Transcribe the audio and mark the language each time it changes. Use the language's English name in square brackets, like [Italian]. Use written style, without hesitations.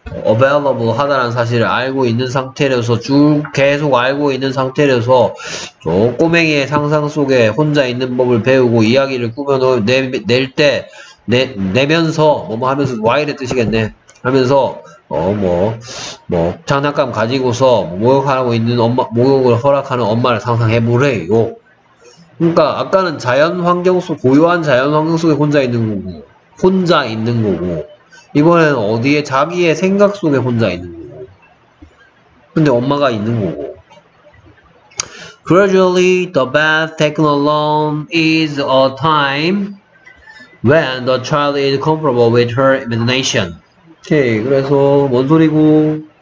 [Korean] available 하다는 사실을 알고 있는 상태로서 쭉 계속 알고 있는 상태로서 저 꼬맹이의 상상 속에 혼자 있는 법을 배우고 이야기를 꾸며낼 때 내면서 뭐뭐 하면서 와이래 뜻이겠네 하면서 뭐 장난감 가지고서 목욕하고 있는 엄마 목욕을 허락하는 엄마를 상상해 보래요. 그러니까 아까는 자연 환경 속 고요한 자연 환경 속에 혼자 있는 거고 혼자 있는 거고 이번에는 어디에 자기의 생각 속에 혼자 있는 거고 근데 엄마가 있는 거고. [English] Gradually the bath taken alone is a time when the child is comfortable with her imagination. [Korean] 오케이 그래서 뭔 소리고